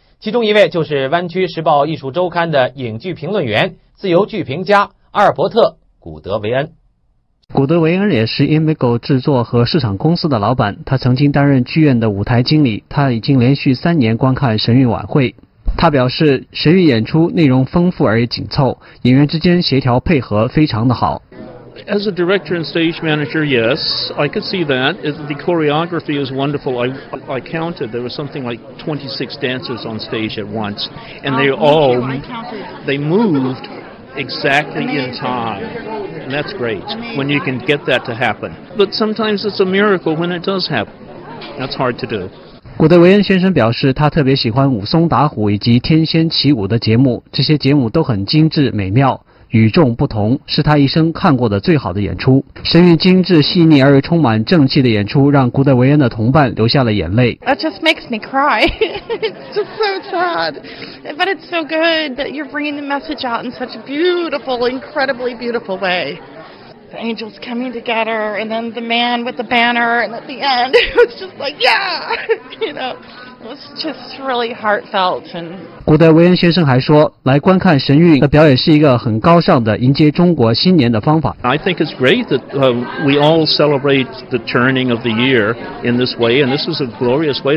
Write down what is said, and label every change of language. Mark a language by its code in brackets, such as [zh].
[zh] 其中一位就是湾区时报艺术周刊的影剧评论员、自由剧评家阿尔伯特·古德维恩。古德维恩也是 Imago 制作和市场公司的老板，他曾经担任剧院的舞台经理，他已经连续三年观看神韵晚会。他表示，神韵演出内容丰富而紧凑，演员之间协调配合非常的好。 [en] As a director and stage manager, yes, I could see that. The choreography is wonderful. I counted. There was something like 26 dancers on stage at once. And they all, they moved exactly in time. And that's great when you can get that to happen. But sometimes it's a miracle when it does happen. That's hard to do. [zh] 古德维恩先生表示，他特别喜欢武松打虎以及天仙起舞的节目，这些节目都很精致美妙，与众不同，是他一生看过的最好的演出。神韵精致细腻而又充满正气的演出，让古德维恩的同伴流下了眼泪。 [en] That just makes me cry. It's just so sad, but it's so good that you're bringing the message out in such a beautiful, incredibly beautiful way. The angels coming together, and then the man with the banner, and at the end, it was just like, yeah, you know. [zh] 古德维恩先生还说，来观看神韵的表演是一个很高尚的迎接中国新年的方法。 [en] I think it's great that we all celebrate the turning of the year in this way, and this is a glorious way.